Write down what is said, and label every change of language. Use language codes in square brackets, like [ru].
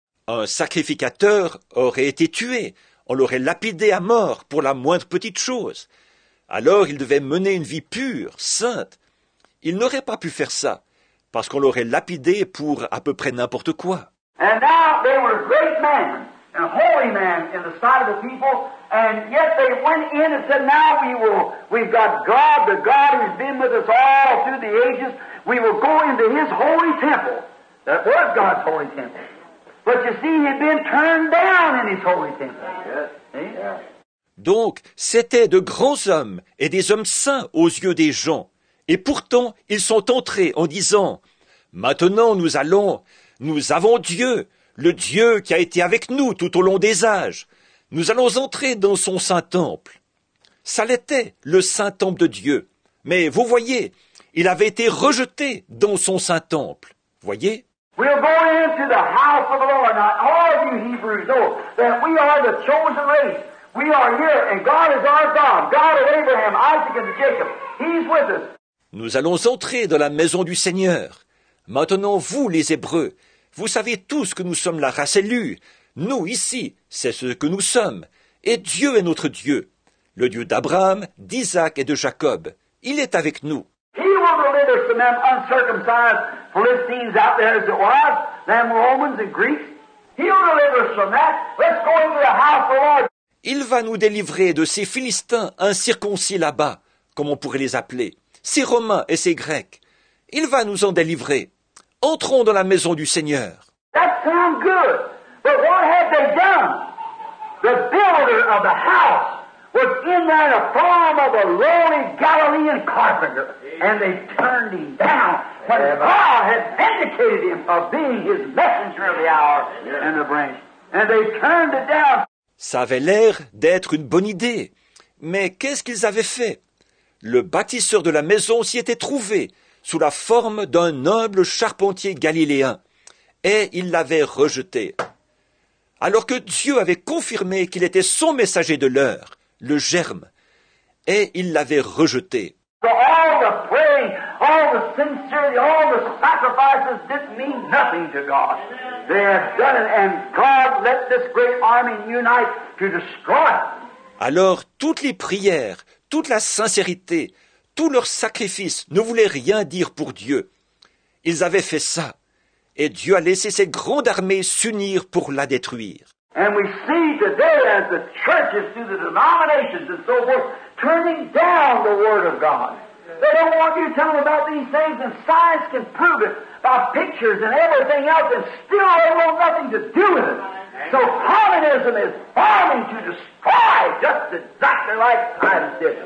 [fr] Un sacrificateur aurait été tué. On l'aurait lapidé à mort pour la moindre petite chose. Alors il devait mener une vie pure, sainte. Il n'aurait pas pu faire ça, parce qu'on l'aurait lapidé pour à peu près n'importe quoi. [en] And now they were great men, and holy men in the sight of the people, and yet they went in and said, now we've got God, the God who's been with us all through the ages, we will go into his holy temple. That was God's holy temple. But you see, he'd been turned down in his holy temple. Yes. Yeah. [fr] Donc, c'était de grands hommes et des hommes saints aux yeux des gens. Et pourtant, ils sont entrés en disant, « Maintenant, nous avons Dieu, le Dieu qui a été avec nous tout au long des âges. Nous allons entrer dans son Saint-Temple. » Ça l'était, le Saint-Temple de Dieu. Mais vous voyez, il avait été rejeté dans son Saint-Temple. Voyez ? [en] We'll go into the house of the Lord. Now, all of you Hebrews know that we are the chosen race. We are here, and God is our God. God of Abraham, Isaac, and Jacob. He's with us. [fr] Nous allons entrer dans la maison du Seigneur. Maintenant, vous, les Hébreux, vous savez tous que nous sommes la race élue. Nous, ici, c'est ce que nous sommes. Et Dieu est notre Dieu, le Dieu d'Abraham, d'Isaac et de Jacob. Il est avec nous. [en] He will deliver from them uncircumcised Philistines out there as it was, them Romans and Greeks. He will deliver us from that. Let's go into the house of the Lord. [fr] Il va nous délivrer de ces Philistins incirconcis là-bas, comme on pourrait les appeler. Ces Romains et ces Grecs, il va nous en délivrer. Entrons dans la maison du Seigneur. [en] That sounds good, but what had they done? The builder of the house was in there in the form of a lowly Galilean carpenter, and they turned him down. But God had vindicated him of being his messenger of the hour and the branch, and they turned it down. [fr] Ça avait l'air d'être une bonne idée, mais qu'est-ce qu'ils avaient fait? Le bâtisseur de la maison s'y était trouvé sous la forme d'un humble charpentier galiléen et il l'avait rejeté. Alors que Dieu avait confirmé qu'il était son messager de l'heure, le germe, et il l'avait rejeté. [en] So all the praying, all the sincerity, all the sacrifices didn't mean nothing to God. They had done it and God let this great army unite to destroy it. [fr] Alors toutes les prières, toute la sincérité, tout leur sacrifice ne voulait rien dire pour Dieu. Ils avaient fait ça, et Dieu a laissé cette grande armée s'unir pour la détruire. [en] And we see today as the churches through the denominations and so forth turning down the word of God. They don't want you to tell them about these things, and science can prove it by pictures and everything else, and still they want nothing to do with it. So communism is bombing to destroy just exactly like Titus did.